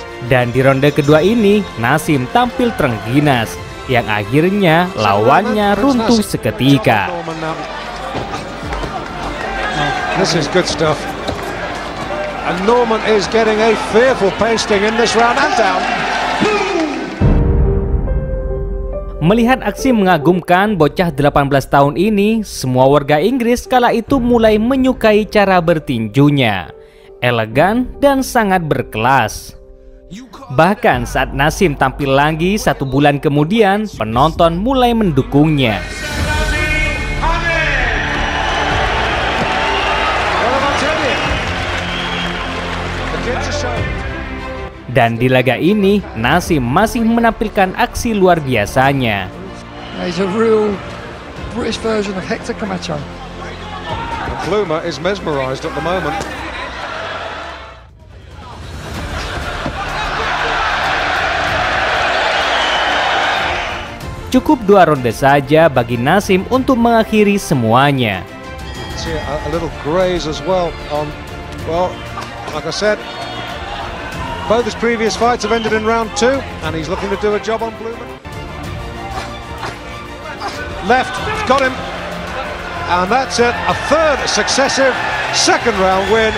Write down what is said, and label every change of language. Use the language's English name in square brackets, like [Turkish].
[Indonesian] Dan di ronde kedua ini, Nassim tampil terengginas, yang akhirnya lawannya runtuh seketika. [English] This is good stuff. And Norman is getting a fearful pasting in this round and down. [Indonesian] Melihat aksi mengagumkan bocah 18 tahun ini, semua warga Inggris kala itu mulai menyukai cara bertinjunya. Elegan dan sangat berkelas. Bahkan saat Nassim tampil lagi 1 bulan kemudian, penonton mulai mendukungnya. Nassim Hamid. Dan di laga ini, Nasim masih menampilkan aksi luar biasanya. [English] He's a real British version of Hector Camacho. Pluma is mesmerized at the moment. [Indonesian] Cukup dua ronde saja bagi Nasim untuk mengakhiri semuanya. [English] A little graze as well. Well, like I said, both his previous fights have ended in round two, and he's looking to do a job on Blumen. Left, got him, and that's it. A third successive second round win.